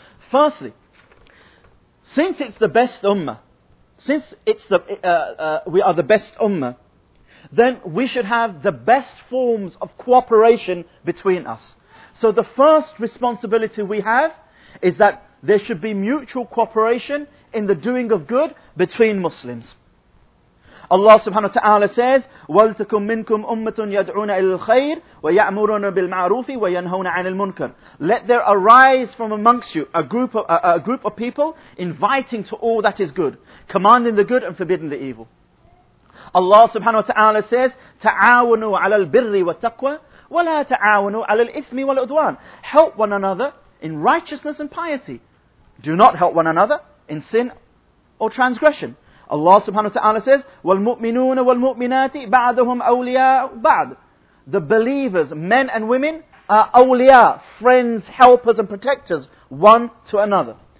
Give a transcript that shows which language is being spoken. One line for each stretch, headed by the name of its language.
English: Firstly, since it's the best ummah, since it's the we are the best ummah, then we should have the best forms of cooperation between us. So the first responsibility we have is that there should be mutual cooperation in the doing of good between Muslims.
Arabic: Allah subhanahu wa ta'ala says, وَلْتَكُمْ مِنْكُمْ أُمَّةٌ يَدْعُونَ إِلَى الْخَيْرِ وَيَأْمُرُونَ بِالْمَعْرُوفِ وَيَنْهَوْنَ عَنِ الْمُنْكَرِ.
English: Let there arise from amongst you a group of people inviting to all that is good, commanding the good and forbidding the evil.
Arabic: Allah subhanahu wa ta'ala says, تَعَاوَنُوا عَلَى الْبِرِّ وَالتَّقْوَى وَلَا تَعَاوَنُوا عَلَى الْإِثْمِ وَالْأُدْوَانِ.
English: Help one another in righteousness and piety. Do not help one another in sin or transgression.
Arabic: Allah subhanahu wa ta'ala says, وَالْمُؤْمِنُونَ وَالْمُؤْمِنَاتِ بَعْدَهُمْ أَوْلِيَاءُ بَعْدٍ.
English: The believers, men and women, are awliya, friends, helpers and protectors, one to another.